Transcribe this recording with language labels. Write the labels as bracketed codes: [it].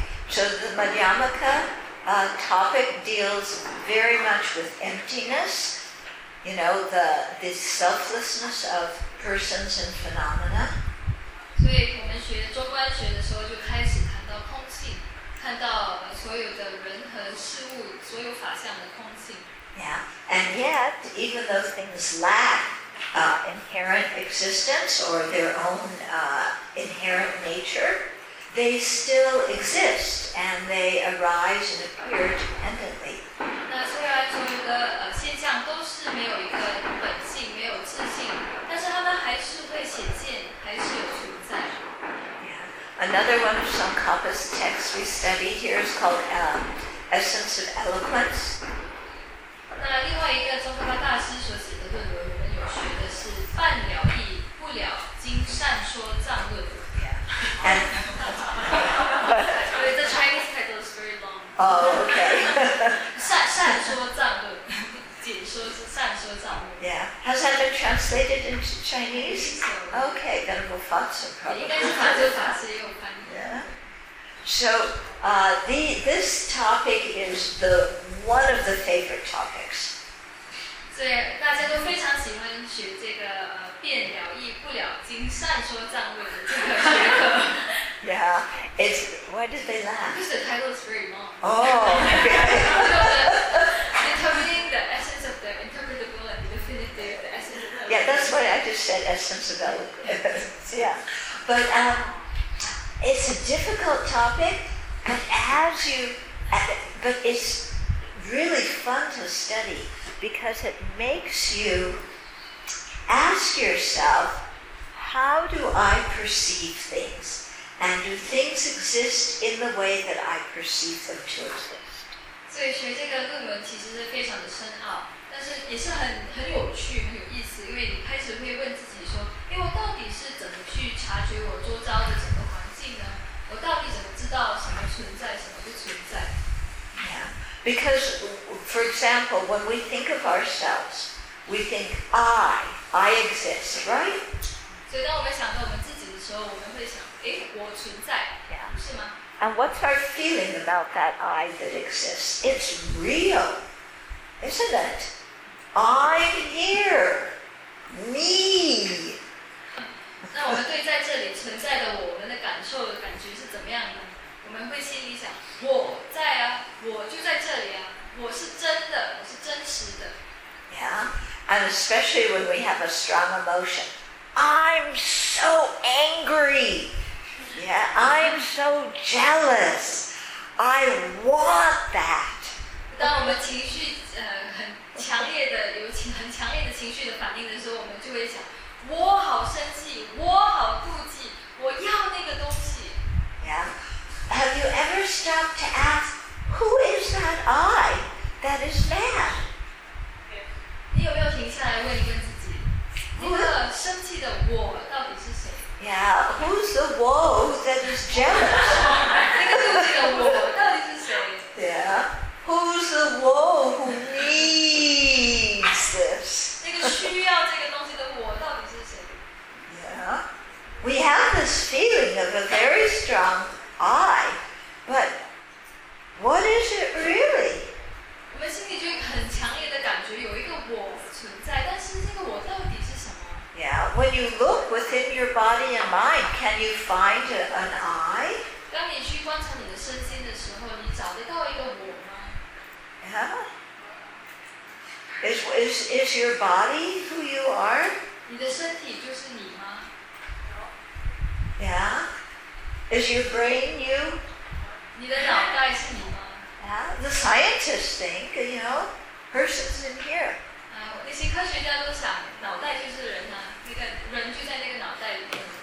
[en] So the Madhyamaka topic deals very much with emptiness, you know, the selflessness of persons and phenomena. [zh] 所以我们学中观学的时候就开始谈到空性，看到所有的人和事物，所有法相的空性。 [en] Yeah, and yet, even though things lack inherent existence or their own inherent nature,They still exist and they arise and appear dependently. [zh] 那虽然所有的现象都是没有一个本性，没有自性，但是他们还是会显现，还是有存在。 [en] Yeah. Another one of Tsongkhapa's texts we study here is called Essence of Eloquence. [zh] 那另外一个宗喀巴大师所写的论文，我们有学的是《泛了意不了经善说藏论》。 [en] And the Chinese title is very long. Oh, okay. [zh] 善说藏论，简说是善说藏论。 [en] Yeah, has that been translated into Chinese? So, okay, then we'll find some probably. [zh] 应该是法师法师也有翻译。 Yeah. [en] So, this topic is the one of the favorite topics. [zh] 所以大家都非常喜欢学这个。变了意不了经善说藏论的这个学科。 [en] Yeah, it's why did they laugh? Because the title is very long. Oh, okay. Determining the essence of the interpretable and definitive, the essence of the Yeah, that's why I just said essence of eloquence. Yeah. But it's a difficult topic, but it's really fun to study because it makes you. Ask yourself, how do I perceive things? And do things exist in the way that I perceive them to exist? [zh] 所以学这个论文其实是非常的深奥，但是也是很有趣、很有意思，因为你开始会问自己说，诶，我到底是怎么去察觉我周遭的整个环境呢？我到底怎么知道什么存在，什么不存在？ [en] Yeah, because, for example, when we think of ourselves, we think, I exist, right? [zh] 所以当我们想到我们自己的时候，我们会想，诶，我存在， yeah. 是吗？ [en] And what's our feeling about that I that exists? It's real, isn't it? I'm here, me. [zh] 那我们对在这里存在的我们的感受的感觉是怎么样的？我们会心里想，我在啊，我就在这里啊，我是真的，我是真实的。 Yeah. [en] And especially when we have a strong emotion. I'm so angry. Yeah, I'm so jealous. I want that. [zh] 当我们情绪很强烈的有很强烈的情绪的反应的时候，我们就会想，我好生气，我好妒忌，我要那个东西。 Yeah. [en] Have you ever stopped to ask, who is that I that is mad? [zh] 你有没有停下来问一问自己，那个生气的我到底是谁 [en] ？Yeah, who's the who that is jealous? [zh] 那个妒忌的我到底是谁 [en] ？Yeah, who's the who needs this? [zh] 那个需要这个东西的我到底是谁 [en] ？Yeah, we have this feeling of a very strong I, but what is it really? [zh] 我们心里就很强烈的感觉有一个我存在，但是这个我到底是什么 [en] ？Yeah, when you look within your body and mind, can you find an I? [zh] 当你去观察你的身心的时候，你找得到一个我吗 [en] ？Yeah. Is your body who you are? [zh] 你的身体就是你吗 [en] ？Yeah. Is your brain you? [zh] 你的脑袋是你吗？ [en] Yeah, the scientists think, you know, person's in here. [zh] 那些科学家都想，脑袋就是人啊，那个人就在那个脑袋里面。